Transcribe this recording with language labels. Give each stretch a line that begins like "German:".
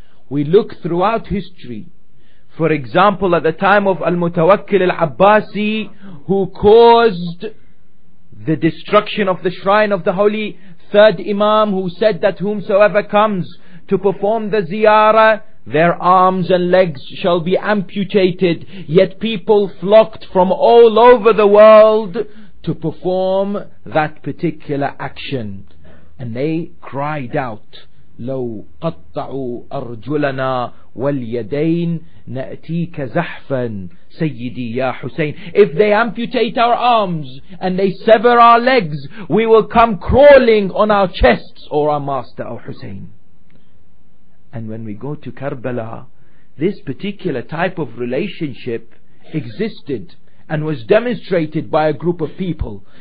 English: We look throughout history. For example, at the time of Al-Mutawakkil Al-Abbasi, who caused the destruction of the shrine of the holy third Imam, who said that whomsoever comes to perform the ziyarah, their arms and legs shall be amputated. Yet people flocked from all over the world to perform that particular action. And they cried out,
Arabic: "لو قطعوا أرجلنا واليدين نأتيك زحفا سيدي يا حسين."
English: If they amputate our arms and they sever our legs, we will come crawling on our chests, or our master, O Hussein. And when we go to Karbala, this particular type of relationship existed and was demonstrated by a group of people.